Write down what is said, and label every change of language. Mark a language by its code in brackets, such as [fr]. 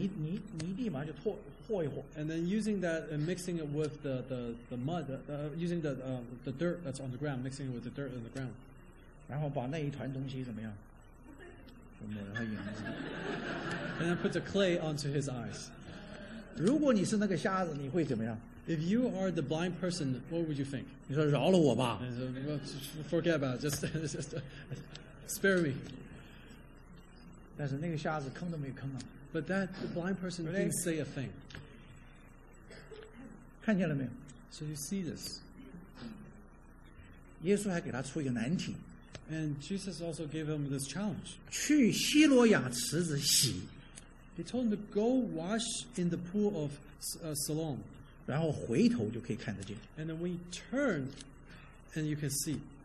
[zh] 唾泥就吐了唾沫，地上是泥，泥地嘛，就唾和一和。 [en] And then using that and mixing it with the mud, using the dirt that's on the ground, mixing it with the dirt on the ground. [zh] 然后把那一团东西怎么样？抹了他眼睛。 [en] And then puts a clay onto his eyes. [zh] 如果你是那个瞎子，你会怎么样？ [en] If you are the blind person, what would you think? [zh] 你说饶了我吧。 [en] Forget about it, just spare me. [zh] 但是那个瞎子坑都没坑啊。 [en] But that blind person didn't say a thing. [zh] 看见了没有？ [en] So you see this. [zh] 耶稣还给他出一个难题。 [en] And Jesus also gave him this challenge. [zh] 去希罗亚池子洗。 [en] He told him to go wash in the pool of Siloam. [zh] 然后回头就可以看得见。 [en] And then when you turn, and you can see.